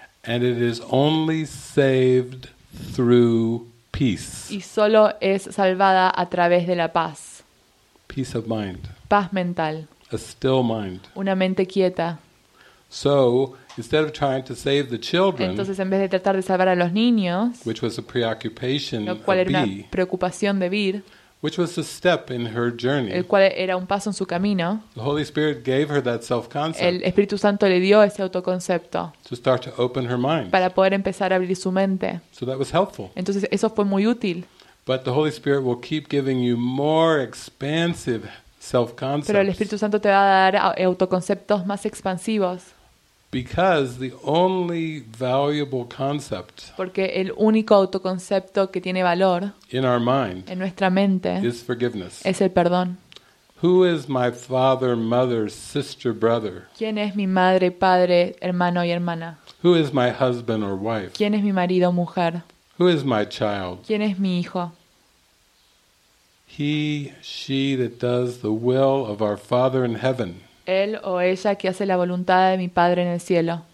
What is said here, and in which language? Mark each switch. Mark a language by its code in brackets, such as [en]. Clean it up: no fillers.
[en] And it is only saved through peace. [es] Y solo es salvada a través de la paz. [en] Peace of mind. [es] Paz mental. [en] A still mind. [es] Una mente quieta. [en] So, instead of trying to save the children, [es] entonces en vez de tratar de salvar a los niños, [en] which was a preoccupation, [es] lo cual era una preocupación de vivir. [en] Which was a step in her journey. [es] El cual era un paso en su camino. [en] The Holy Spirit gave her that self-concept. [es] El Espíritu Santo le dio ese autoconcepto. [en] To start to open her mind. [es] Para poder empezar a abrir su mente. [en] So that was helpful. [es] Entonces eso fue muy útil. [en] But the Holy Spirit will keep giving you more expansive self-concepts. [es] Pero el Espíritu Santo te va a dar autoconceptos más expansivos. [en] Because the only valuable concept, [es] porque el único autoconcepto que tiene valor [en] in our mind, [es] en nuestra mente, [en] is forgiveness. [es] Es el perdón. [en] Who is my father, mother, sister, brother? [es] ¿Quién es mi madre, padre, hermano y hermana? [en] Who is my husband or wife? [es] ¿Quién es mi marido o mujer? [en] Who is my child? [es] ¿Quién es mi hijo? [en] He, she that does the will of our Father in heaven. [es] Él o ella que hace la voluntad de mi Padre en el cielo.